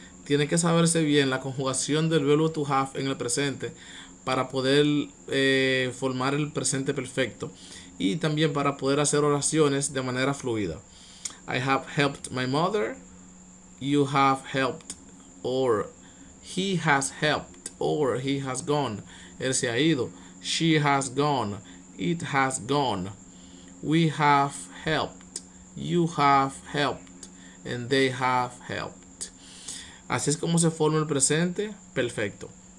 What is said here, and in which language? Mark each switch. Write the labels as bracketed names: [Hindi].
[Spanish] Tiene que saberse bien la conjugación del verbo to have en el presente para poder formar el presente perfecto y también para poder hacer oraciones de manera fluida. [English] I have helped my mother, you have helped, or he has helped, or he has gone, [Spanish] él se ha ido, [English] she has gone, it has gone, we have helped, you have helped, and they have helped. [Spanish] Así es como se forma el presente perfecto.